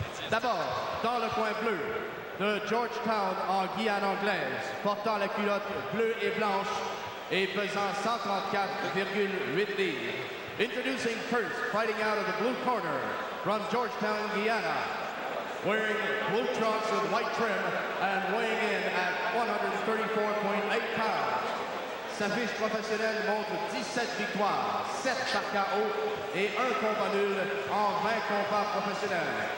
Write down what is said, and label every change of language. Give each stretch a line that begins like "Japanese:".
French: D'abord, dans le coin bleu, de Georgetown en Guyane anglaise, portant la culotte bleue et blanche et pesant 134,8 livres.
English: Introducing first, fighting out of the blue corner from Georgetown, Guyana, wearing blue trunks with white trim and weighing in at 134.8 pounds.
French: Sa fiche professionnelle montre 17 victoires, 7 par KO et 1 combat nul en 20 combats professionnels.